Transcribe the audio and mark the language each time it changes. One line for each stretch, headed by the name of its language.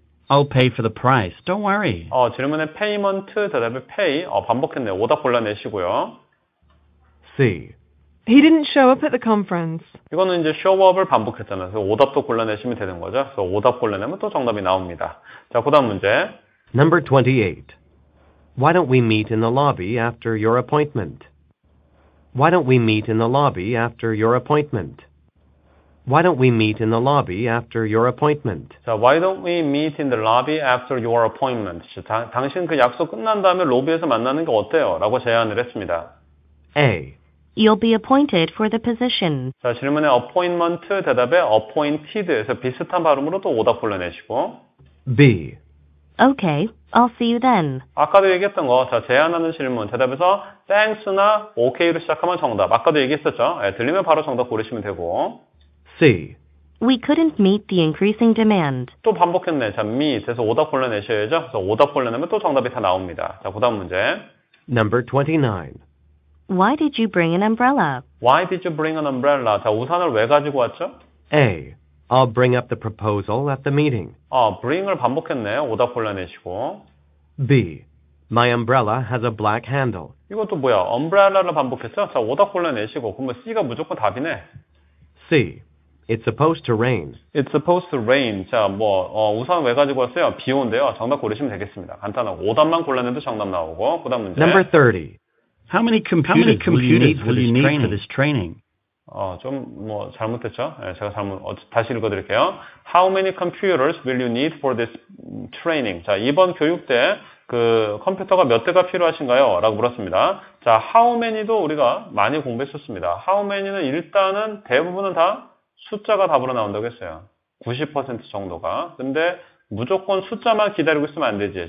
English: I'll pay for the price. Don't worry.
Korean: 질문에 payment, 대답에 pay. 반복했네. 오답 골라내시고요.
English: C. He didn't show up at the conference.
Korean: 이거는 이제 show up을 반복했잖아요. 그래서 오답도 골라내시면 되는 거죠. 그래서 오답 골라내면 또 정답이 나옵니다. 자, 그 다음 문제.
English: Number 28. Why don't we meet in the lobby after your appointment? Why don't we meet in the lobby after your appointment? Why don't we meet in the lobby after your appointment? 자, why don't we meet in the lobby after your appointment?
Korean: 당신 그 약속 끝난 다음에 로비에서 만나는 게 어때요? 라고 제안을 했습니다.
English: A. You'll be appointed for the position.
Korean: 자, 질문에 appointment 대답에 appointed 해서 비슷한 발음으로 또 오답 불러내시고.
English: B. Okay, I'll see you then.
Korean: 아까도 얘기했던 거, 자, 제안하는 질문 대답에서 thanks나 okay로 시작하면 정답. 아까도 얘기했었죠? 네, 들리면 바로 정답 고르시면 되고.
English: C. We couldn't meet the increasing demand.
Korean: 또 반복했네. 자, meet. 그래서 오답 골라내셔야죠. 그래서 오답 골라내면 또 정답이 다 나옵니다. 자, 그 다음 문제.
English: Number 29. Why did you bring an umbrella? Why did you bring an umbrella?
Korean: 자, 우산을 왜 가지고 왔죠?
English: A. I'll bring up the proposal at the meeting.
Korean: Bring을 반복했네. 오답 골라내시고.
English: B. My umbrella has a black handle.
Korean: 이것도 뭐야? umbrella를 반복했죠? 자, 오답 골라내시고. 그러면 C가 무조건 답이네.
English: C. It's supposed to rain. It's supposed to rain.
Korean: 자, 뭐 우산 왜 가지고 왔어요? 비 온대요. 정답 고르시면 되겠습니다. 간단하고 오답만 골라내도 정답 나오고. 그다음 문제.
English: Number 30. How many computers will you need for this training?
Korean: 좀 뭐 잘못됐죠? 네, 제가 다시 읽어드릴게요.
English: How many computers will you need for this training?
Korean: 자, 이번 교육 때 그 컴퓨터가 몇 대가 필요하신가요? 라고 물었습니다. 자, how many도 우리가 많이 공부했었습니다. How many는 일단은 대부분은 다 숫자가 답으로 나온다고 했어요. 90% 정도가. 근데 무조건 숫자만 기다리고 있으면 안 되지.